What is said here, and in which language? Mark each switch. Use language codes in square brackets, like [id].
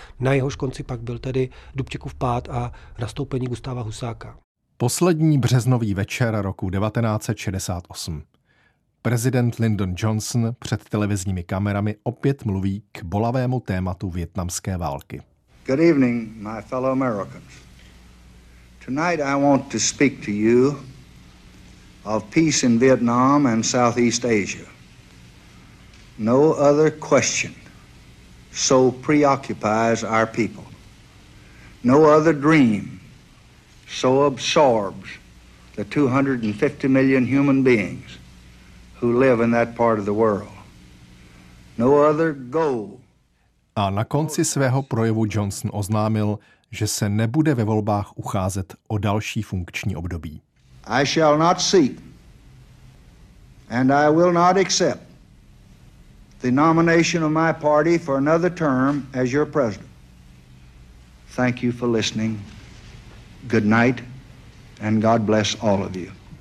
[cs] Na jehož konci pak byl tedy Dubčekův pád a nastoupení Gustáva Husáka. Poslední březnový večer roku 1968. Prezident Lyndon Johnson před televizními kamerami opět mluví k bolavému tématu vietnamské války. [en] Good evening, my fellow Americans. Tonight I want to speak to you of peace in Vietnam and Southeast Asia. No other question so preoccupies our people. No other dream so absorbs the 250 million human beings who live in that part of the world. No other goal. [cs] A na konci svého projevu Johnson oznámil, že se nebude ve volbách ucházet o další funkční období. [en] I shall not seek and I will not accept the nomination of my party for another term as your president. Thank you for listening. Good night and God bless all of you.